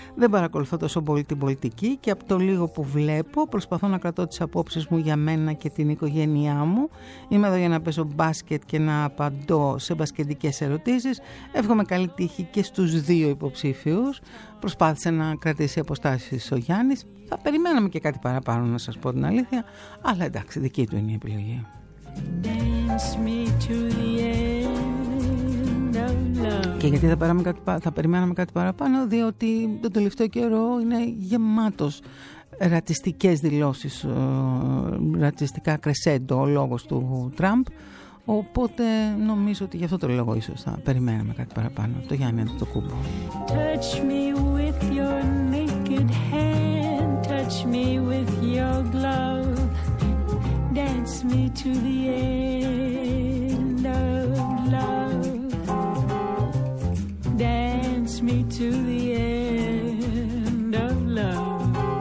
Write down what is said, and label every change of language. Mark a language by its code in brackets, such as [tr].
[el] Δεν παρακολουθώ τόσο πολύ την πολιτική και από το λίγο που βλέπω προσπαθώ να κρατώ τις απόψεις μου για μένα και την οικογένειά μου. Είμαι εδώ για να παίζω μπάσκετ και να απαντώ σε μπασκετικές ερωτήσεις. Εύχομαι καλή τύχη και στους δύο υποψήφιους. Προσπάθησε να κρατήσει αποστάσεις ο Γιάννης. Θα περιμέναμε και κάτι παραπάνω, να σας πω την αλήθεια. Αλλά εντάξει, δική του είναι η επιλογή. [en] Dance me to the end of love. [el] Και γιατί θα περιμέναμε κάτι παραπάνω? Διότι τον τελευταίο καιρό είναι γεμάτος ρατσιστικές δηλώσεις, ρατσιστικά κρεσέντο ο λόγος του Τραμπ. Οπότε νομίζω ότι γι' αυτό το λόγο ίσως θα περιμέναμε κάτι παραπάνω. Το Γιάννη Αντετοκούμπο. [en] Touch me with your naked hand. Touch me with your glove. Dance me to the end of love. Dance me to the end of love.